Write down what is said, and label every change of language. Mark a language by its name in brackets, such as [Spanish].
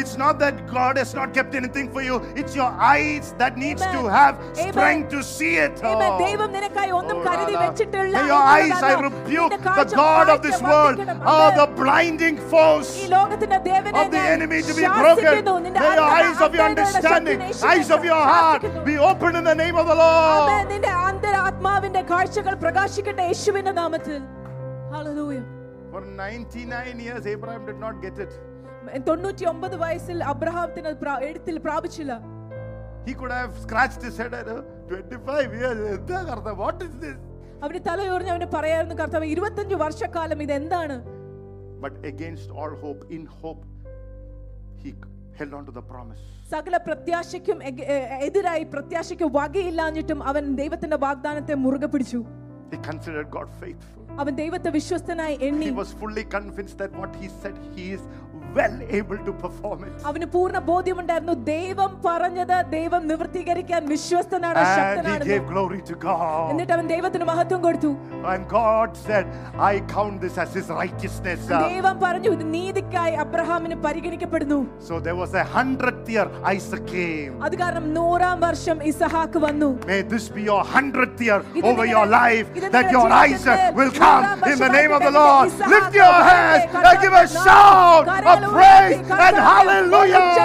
[English] It's not that God has not kept anything for you, it's your eyes that needs to have strength to see it. [Malayalam] Amen. Devan nekkai onnum karidi vechittilla. [English] May your eyes, I rebuke the god of this world, all the blinding force [Malayalam] ee logathina devane [English] of the enemy to be broken. Eyes of your understanding, eyes of your heart be opened in the name of the Lord. Amen. [Malayalam] നിന്റെ അന്തരാത്മാവിന്റെ കാഴ്ചകൾ പ്രകാശിക്കട്ടെ യേശുവിന്റെ നാമത്തിൽ. [English] Hallelujah. For 99 years Abraham did not get it. [Malayalam] 99 വയസ്സിൽ അബ്രഹാമത്തിന് എഴുത്തിൽ പ്രാപിച്ചില്ല. [English] He could have scratched his head at 25 years. [Malayalam] എന്താ കർത്താവ്, [English] what is this? [Malayalam] അവനെ തലയോർഞ്ഞ് അവനെ പറയായിരുന്നു, കർത്താവ് 25 വർഷക്കാലം ഇതെന്താണ്? [English] But against all hope, in hope he held on to the promise. [Malayalam] സകല പ്രത്യാശയ്ക്കും എതിരായി, പ്രത്യാശയ്ക്ക് വകയില്ലാഞ്ഞിട്ടും അവൻ ദൈവത്തിന്റെ വാഗ്ദാനത്തെ മുറുകെ പിടിച്ചു. [English] He considered God faithful. [Malayalam] അവൻ ദൈവത്തെ വിശ്വസ്തനായി എണ്ണി. [English] He was fully convinced that what he said, he is well able to perform it. [Malayalam] അവനെ പൂർണ്ണ ബോധ്യമുണ്ടായിരുന്നു, ദൈവം പറഞ്ഞത ദൈവം നിവർത്തീകരിക്കാൻ വിശ്വസ്തനാണ്, ശക്തനാണ്. [English] He gave glory to God. [Malayalam] എന്നിട്ട് അവൻ ദൈവത്തിന് മഹത്വം കൊടുത്തു. [English] And God said, I count this as his righteousness. [Malayalam] ദൈവം പറഞ്ഞു, ഇത് നീതിക്കായി അബ്രഹാമിനെ പരിഗണിക്കപ്പെടുന്നു. [English] So there was a 100th year Isaac came. [Malayalam] അതുകാരണം 100 വർഷം ഇസഹാക്ക് വന്നു. [English] May this be your 100th year over your life, that your eyes will come in the name of the Lord. Lift your hands and give a shout of praise and hallelujah.